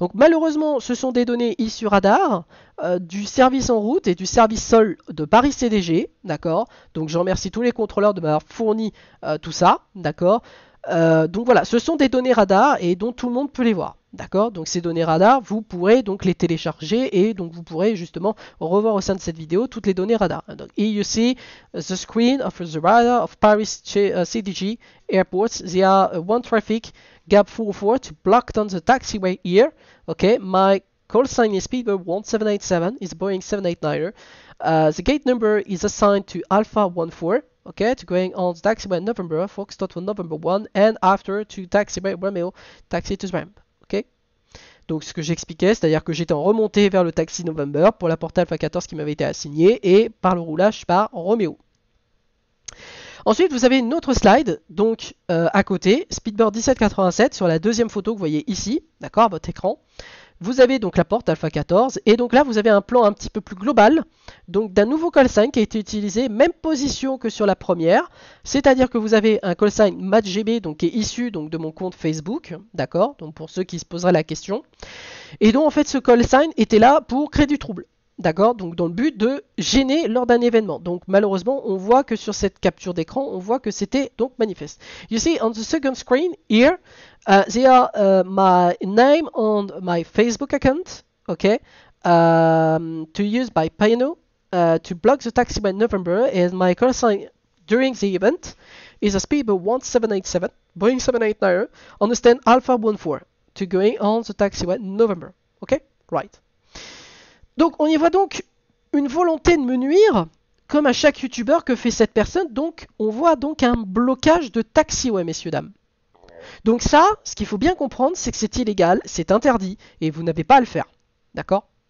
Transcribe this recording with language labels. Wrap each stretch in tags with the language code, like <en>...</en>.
<fr>Donc, malheureusement, ce sont des données issues radar du service en route et du service sol de Paris CDG. D'accord ? Donc, je remercie tous les contrôleurs de m'avoir fourni tout ça. D'accord ? Donc voilà, ce sont des données radar et dont tout le monde peut les voir. D'accord? Donc ces données radar, vous pourrez donc les télécharger et donc vous pourrez justement revoir au sein de cette vidéo toutes les données radar.</fr> <en>Donc, here you see the screen of the radar of Paris CDG Airport. There are one traffic gap 404 to block on the taxiway here. OK, my call sign is Speedbird 1787, it's Boeing 789. The gate number is assigned to Alpha 14. Okay, to going on the taxiway November, Fox dot for November 1, and after to taxiway Romeo, taxi to the ramp. Okay?</en> <fr>Donc ce que j'expliquais, c'est-à-dire que j'étais en remontée vers le taxi November pour la porte Alpha 14 qui m'avait été assignée, et par le roulage par Romeo. Ensuite, vous avez une autre slide, donc à côté, Speedbird 1787, sur la deuxième photo que vous voyez ici, d'accord, à votre écran. Vous avez donc la porte Alpha 14, et donc là vous avez un plan un petit peu plus global, donc d'un nouveau call sign qui a été utilisé, même position que sur la première, c'est-à-dire que vous avez un call sign MatGB, donc qui est issu donc de mon compte Facebook, d'accord, donc pour ceux qui se poseraient la question, et donc en fait ce call sign était là pour créer du trouble, d'accord, donc dans le but de gêner lors d'un événement. Donc malheureusement, on voit que sur cette capture d'écran, on voit que c'était donc manifeste.</fr> <en>You see, on the second screen here, they are my name on my Facebook account, okay, to use by Payano to block the taxi by November, and my call sign during the event is a Speedbird 1787, Boeing 789, on the stand Alpha 14, to going on the taxi by November, okay, right.</en> <fr>Donc on y voit donc une volonté de me nuire, comme à chaque youtubeur que fait cette personne, donc on voit donc un blocage de taxi, ouais messieurs dames. Donc ça, ce qu'il faut bien comprendre, c'est que c'est illégal, c'est interdit, et vous n'avez pas à le faire, d'accord?</fr>